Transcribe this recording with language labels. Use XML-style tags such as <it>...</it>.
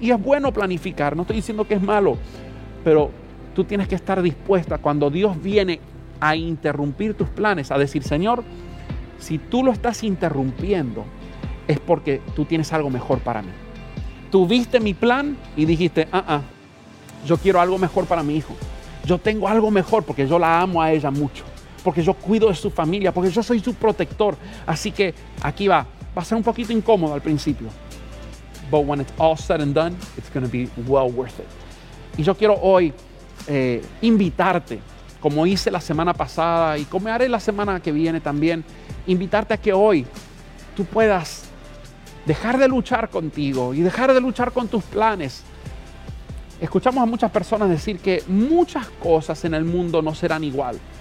<es>Y es bueno planificar, no estoy diciendo que es malo, pero tú tienes que estar dispuesta cuando Dios viene a interrumpir tus planes, a decir: Señor, si tú lo estás interrumpiendo es porque tú tienes algo mejor para mí. Tú viste mi plan y dijiste: yo quiero algo mejor para mi hijo, yo tengo algo mejor porque yo la amo a ella mucho, porque yo cuido de su familia, porque yo soy su protector. Así que aquí va. Va a ser un poquito incómodo al principio,</es> <en>but when it's all said and done, it's going to be well worth it.</en> <es>Y yo quiero hoy invitarte, como hice la semana pasada y como haré la semana que viene también, invitarte a que hoy tú puedas dejar de luchar contigo y dejar de luchar con tus planes. Escuchamos a muchas personas decir que muchas cosas en el mundo no serán igual.</es>